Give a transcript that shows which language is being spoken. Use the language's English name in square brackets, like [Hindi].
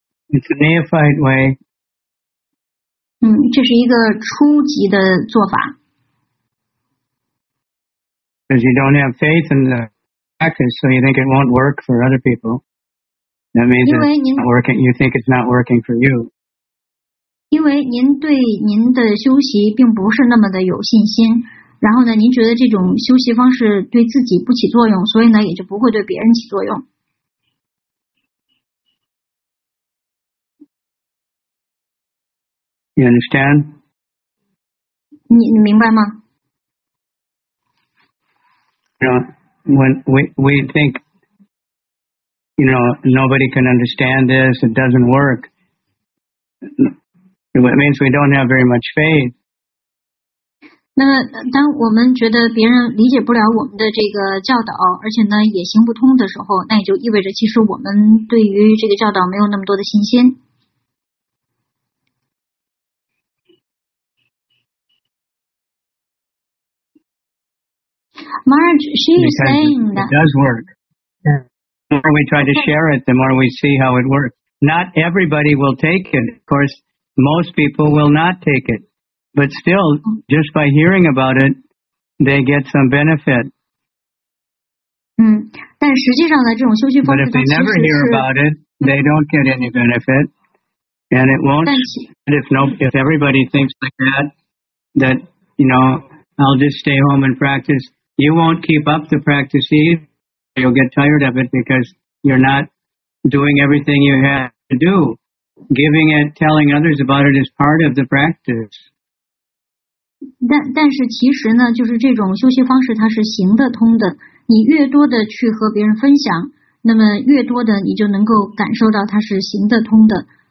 [English] It's a neophyte way. [Chinese] 这是一个初级的做法。 [English] Because you don't have faith in the practice, so you think it won't work for other people. That means it's not working. You think it's not working for you. [Chinese] 因为您对您的修习并不是那么的有信心，然后呢，您觉得这种修习方式对自己不起作用，所以呢，也就不会对别人起作用。 [English] You understand? [Chinese] 你明白吗？ [English] When we think, nobody can understand this, it doesn't work. It means we don't have very much faith. [Chinese] 那当我们觉得别人理解不了我们的这个教导，而且呢也行不通的时候，那也就意味着其实我们对于这个教导没有那么多的信心。 [English] Marge, she is saying that it does work. The more we try to share it, the more we see how it works. Not everybody will take it. Of course, most people will not take it. But still, just by hearing about it, they get some benefit. [Chinese] 但实际上呢，这种修习方式其实是 [English] But if they never hear about it, they don't get any benefit. And it won't. But if everybody thinks like that, that, I'll just stay home and practice. You won't keep up the practice either. You'll get tired of it because you're not doing everything you have to do. Giving it, telling others about it is part of the practice. [Chinese] 但是其实呢，就是这种修习方式它是行得通的。你越多的去和别人分享，那么越多的你就能够感受到它是行得通的。